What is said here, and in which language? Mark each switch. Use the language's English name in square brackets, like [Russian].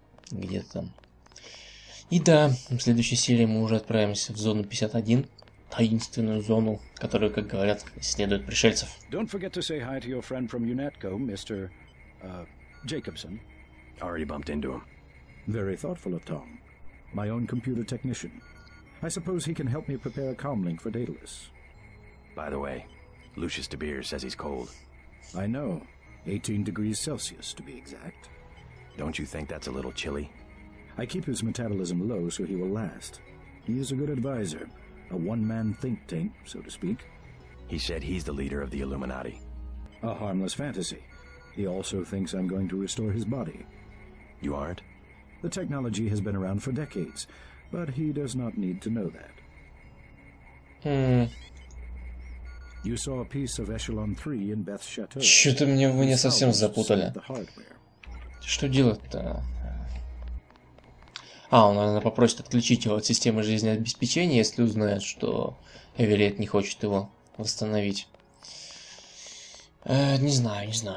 [Russian] Где-то там. И да, в следующей серии мы уже отправимся в зону 51. Таинственную зону, которую, как говорят, исследуют пришельцев. [English] Don't forget to say hi to your friend from UNATCO, Mr. Jacobson. Already bumped into him. Very thoughtful of Tom. My own computer technician. I suppose he can help me prepare a comlink for Daedalus. By the way, Lucius De Beer says he's cold. I know. 18 degrees Celsius, to be exact. Don't you think that's a little chilly? I keep his metabolism low so he will last. He is a good advisor. A one-man think tank, so to speak. He said he's the leader of the Illuminati. A harmless fantasy. He also thinks I'm going to restore his body. You aren't? The technology has been around for decades, but he does not need to know that. You saw a piece of Echelon 3 in Beth's Chateau. [Russian] Что-то мне вы не совсем запутали. Что делать-то? А, он, наверное, попросит отключить его от системы жизнеобеспечения, если узнает, что Эверетт не хочет его восстановить. Не знаю.